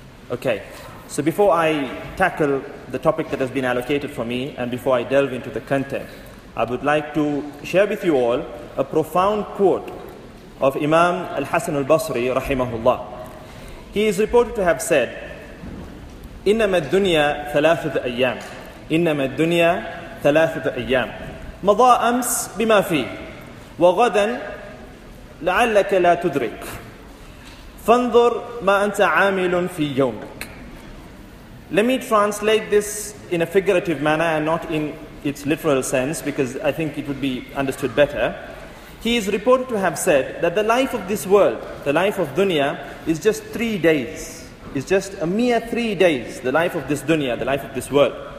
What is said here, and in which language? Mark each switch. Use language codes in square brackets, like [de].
[en] Okay, so before I tackle the topic that has been allocated for me, and before I delve into the content, I would like to share with you all a profound quote of Imam Al-Hasan Al-Basri, rahimahullah. He is reported to have said, [ar] إِنَّمَا الدُّنْيَا ثَلَاثُ أَيَّامِ إِنَّمَا الدُّنْيَا ثَلَاثُ أَيَّامِ مَضَى أَمْسْ بِمَا فِيهِ وَغَدًا لَعَلَّكَ لَا تُدْرِكَ فَانْظُرْ مَا أَنْتَ عَامِلٌ فِي يَوْمِكَ. [en] Let me translate this in a figurative manner and not in its literal sense, because I think it would be understood better. He is reported to have said that the life of this world, the life of dunya, is just 3 days. It's just a mere 3 days, the life of this dunya, the life of this world.